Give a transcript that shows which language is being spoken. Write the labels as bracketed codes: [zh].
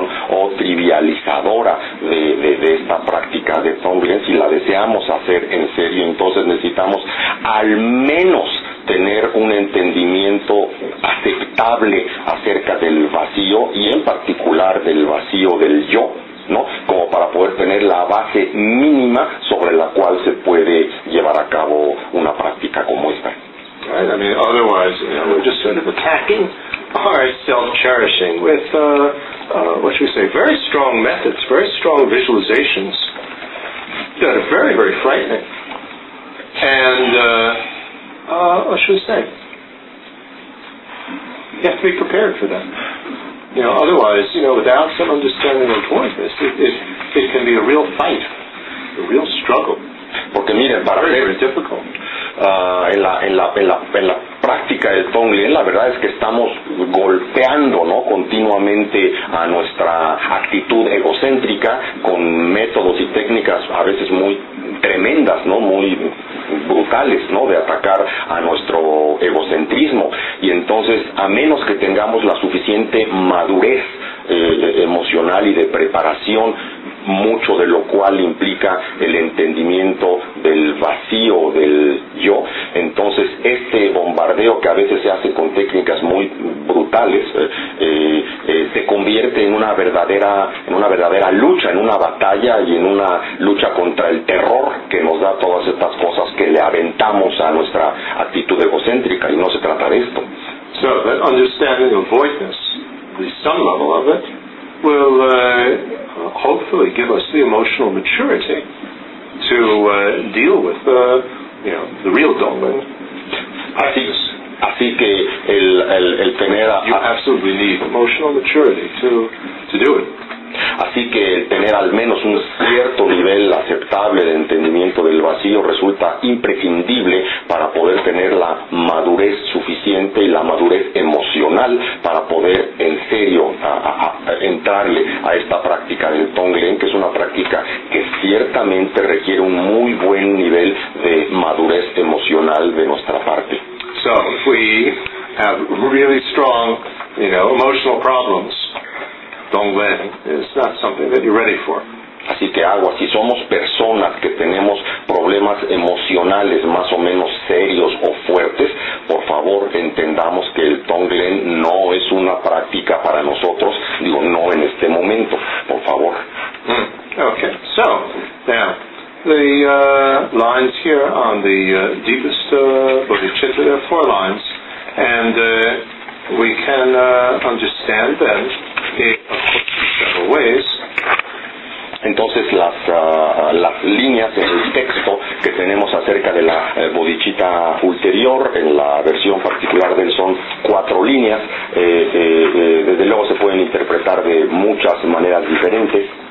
[es] o trivializadora de esta práctica de Tonglen, si la deseamos hacer en serio, entonces necesitamos al menos tener un entendimiento aceptable acerca del vacío, y en particular del vacío del yo, ¿no? Como para poder tener la base mínima sobre la cual se puede llevar a cabo una práctica como esta. [en] Right, I mean, otherwise, you know, we're just sort of attacking our self-cherishing with, what should we say, very strong methods, very strong visualizations that are very, very frightening. And, what should we say? You have to be prepared for that. You know, otherwise, you know, without some understanding of this, it can be a real fight, a real struggle. [es] Porque miren, para [en] very, very difficult. [es] En la práctica del Tonglen, la verdad es que estamos golpeando, ¿no?, continuamente a nuestra actitud egocéntrica con métodos y técnicas a veces muy tremendas, ¿no?, muy brutales, ¿no?, de atacar a nuestro egocentrismo. Y entonces, a menos que tengamos la suficiente madurez emocional y de preparación, mucho de lo cual implica el entendimiento del vacío del yo, entonces este bombardeo que a veces se hace con técnicas muy brutales se convierte en una verdadera lucha, en una batalla y en una lucha contra el terror que nos da todas estas cosas que le aventamos a nuestra actitud egocéntrica. Y no se trata de esto. [en] So that understanding of voidness, the some level of it, will hopefully give us the emotional maturity to deal with the real dogma. [es] Así que el tener [en] you absolutely need emotional maturity to do it. [es] Así que el tener al menos un cierto nivel aceptable de entendimiento del vacío resulta imprescindible para poder tener la madurez suficiente y la madurez emocional para poder en serio entrarle a esta práctica del Tonglen, que es una práctica que ciertamente requiere un muy buen nivel de madurez emocional de nuestra parte. [en] So, if we have really strong, emotional problems, Tonglen is not something that you're ready for. [es] Así que agua, si somos personas que tenemos problemas emocionales más o menos serios o fuertes, por favor entendamos que el Tonglen no es una práctica para nosotros, digo, no en este momento, por favor. [en] Okay, so, now, the lines here on the deepest bodhicitta, there are four lines, and we can understand them ways. [es] Entonces las líneas en el texto que tenemos acerca de la bodichita ulterior en la versión particular de él son cuatro líneas. Desde luego se pueden interpretar de muchas maneras diferentes.